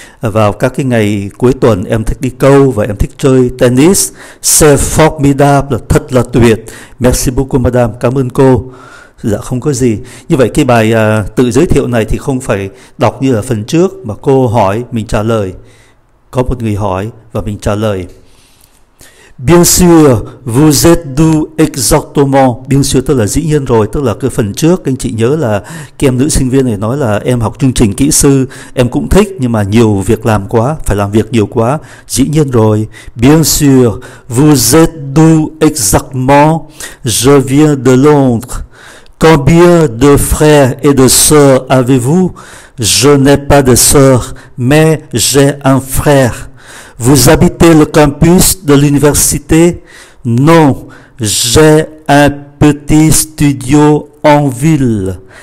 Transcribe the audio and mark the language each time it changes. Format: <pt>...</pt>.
<vi>Vào các cái ngày cuối tuần em thích đi câu và em thích chơi tennis.</vi> <fr>C'est formidable,</fr> <vi>thật là tuyệt.</vi> <fr>Merci beaucoup madame,</fr> <vi>cảm ơn cô. Dạ không có gì. Như vậy cái bài tự giới thiệu này thì không phải đọc như ở phần trước mà cô hỏi mình trả lời. Có một người hỏi và mình trả lời.</vi> <fr>Bien sûr, vous êtes d'où exactement? Bien sûr</fr> <vi>tức là dĩ nhiên rồi, tức là cái phần trước anh chị nhớ là em nữ sinh viên này nói là em học chương trình kỹ sư, em cũng thích nhưng mà nhiều việc làm quá, phải làm việc nhiều quá. Dĩ nhiên rồi.</vi> <fr>Bien sûr, vous êtes d'où exactement? Je viens de Londres. Combien de frères et de sœurs avez-vous? Je n'ai pas de sœur, mais j'ai un frère. Vous habitez le campus de l'université? Non, j'ai un petit studio en ville.</fr>